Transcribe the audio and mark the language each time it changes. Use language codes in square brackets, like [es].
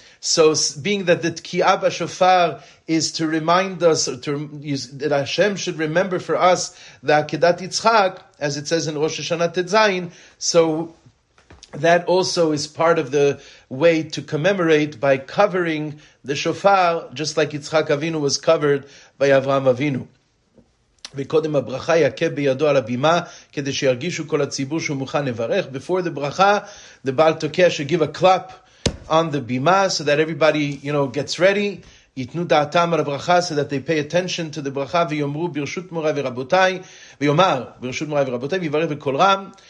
[en] So being that the tkiah b'shofar is to remind us, that Hashem should remember for us the akedat Yitzchak, as it says in Rosh Hashanah Tetzayin, so that also is part of the way to commemorate by covering the shofar, just like Yitzchak Avinu was covered by Avraham Avinu. [he] וקודם הברכה יקב בידו על הבימה, כדי שירגישו כל הציבור שהוא מוכן לברך. [en] Before the bracha, the Baal Tokeah should give a clap on the bima, so that everybody, you know, gets ready. [he] יתנו דעתם על הברכה, [en] so that they pay attention to the bracha, [he] ויאמרו ברשות מוריי ורבותיי, ויאמר ברשות מוריי ורבותיי, ויברך בקול רם.